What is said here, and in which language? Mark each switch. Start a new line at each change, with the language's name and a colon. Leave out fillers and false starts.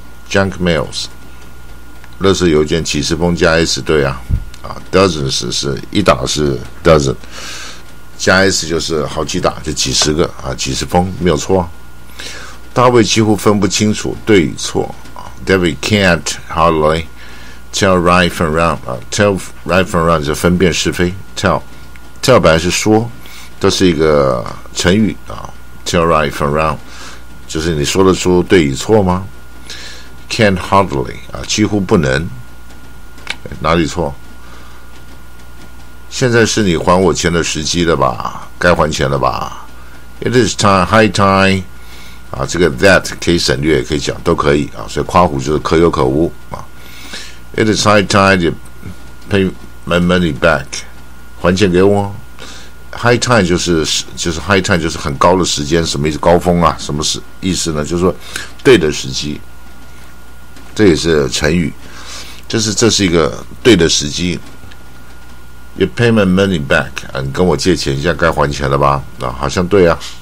Chinese: junk mails 垃圾邮件几十封加 S， 对啊，dozens 是一打是 dozen， 加 S 就是好几打，就几十个啊，几十封，没有错。大卫几乎分不清楚对与错。
English: David can't hardly tell right from wrong.
Chinese: Tell right from wrong 就分辨是非。 Tell 本来是说，这是一个成语啊。 Tell right from wrong 就是你说得出对与错吗 ？ Can't hardly 啊，几乎不能。哪里错？现在是你还我钱的时机了吧？该还钱了吧 ？ It is time, high time。啊，这个 that 可以省略，也可以讲，都可以啊。所以夸胡就是可有可无啊。
English: It is high time to pay my money back，还钱给我。
Chinese: High time 就是 high time 就是很高的时间，什么意思？高峰啊，什么是意思呢？就是说对的时机，这也是成语，就是这是一个对的时机。 You pay my money back，啊，你跟我借钱，现在该还钱了吧？啊，好像对啊。